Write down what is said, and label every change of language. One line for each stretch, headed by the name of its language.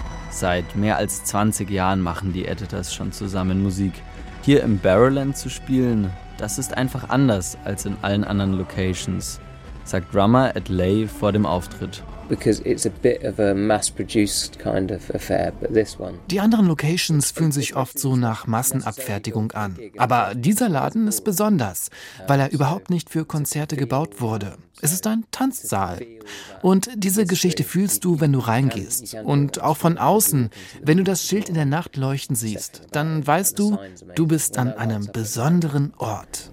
German: Seit mehr als 20 Jahren machen die Editors schon zusammen Musik. Hier im Barrowland zu spielen, das ist einfach anders als in allen anderen Locations, sagt Drummer Ed Lay vor dem Auftritt.
English: Because it's a bit of a mass-produced kind of affair, but this one.
German: Die anderen Locations fühlen sich oft so nach Massenabfertigung an. Aber dieser Laden ist besonders, weil er überhaupt nicht für Konzerte gebaut wurde. Es ist ein Tanzsaal. Und diese Geschichte fühlst du, wenn du reingehst. Und auch von außen, wenn du das Schild in der Nacht leuchten siehst, dann weißt du, du bist an einem besonderen Ort.